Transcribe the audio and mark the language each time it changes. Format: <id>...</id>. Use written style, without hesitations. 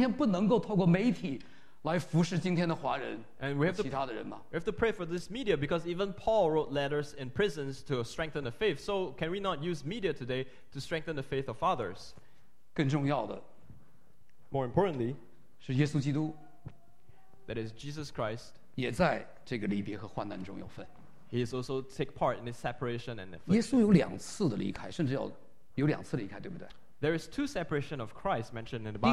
<zh>那回去又跟这有关，就是跟第三千禧年和中国伙伴的施工，就是这样。我们有不断的定期回去，也有这样的一个透过媒体来帮助他们成长的。保罗在监狱能够写信改变帖撒罗尼迦教会，我们今天不能够透过媒体。</zh> <en>We have to pray for this media because even Paul wrote letters in prisons to strengthen the faith. So can we not use media today to strengthen the faith of others?</en> <zh>更重要的,</zh> <en>More importantly,</en> <zh>是耶稣基督,</zh> <en>that is Jesus Christ.</en> <zh>也在这个离别和患难中有份。</zh> <en>He is also take part in this separation and affliction.</en> <zh>耶稣有两次的离开，甚至要有两次离开， 对不对？</zh> <en>There is two separation of Christ mentioned in the Bible.</en>